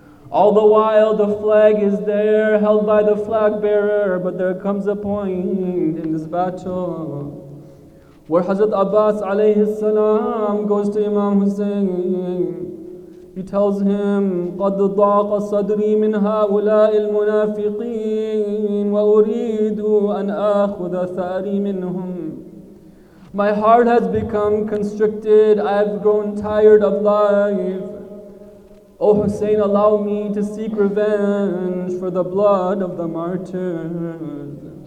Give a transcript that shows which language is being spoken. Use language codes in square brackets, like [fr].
[en] All the while the flag is there, held by the flag bearer, but there comes a point in this battle where Hazrat Abbas alayhi salam goes to Imam Hussein. He tells him, [ar] قَدْ ضَاقَ صَدْرِي مِنْ هَؤُلَاءِ الْمُنَافِقِينَ وَأُرِيدُ أَنْ أَخُذَ ثَارِي مِنْهُمْ. [en] My heart has become constricted. I have grown tired of life. Oh Hussein, allow me to seek revenge for the blood of the martyrs.